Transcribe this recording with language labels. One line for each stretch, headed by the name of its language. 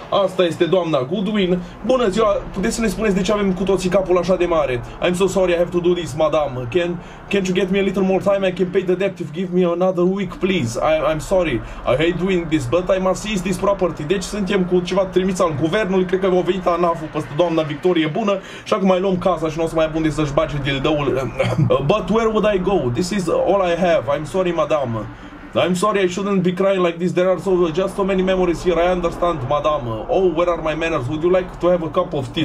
Romanian: Asta este doamna Godwin. Bună ziua, puteți să ne spuneți de ce avem cu toții capul așa de mare?
English: I'm so sorry, I have to do this, madam. Can't you get me a little more time? I can pay the debt if give me another week, please. I'm sorry, I hate doing this, but I must seize this property.
Romanian: Deci suntem cu ceva trimis al guvernului, cred că v-a venit ANAF-ul peste doamna Victorie Bună și acum mai luăm casa și nu o să mai abunde să-și bage dildoul.
English: But where would I go? This is all I have. I'm sorry, madam. I'm sorry, I shouldn't be crying like this. There are just so many memories here. I understand, madame. Oh, where are my manners? Would you like to have a cup of tea?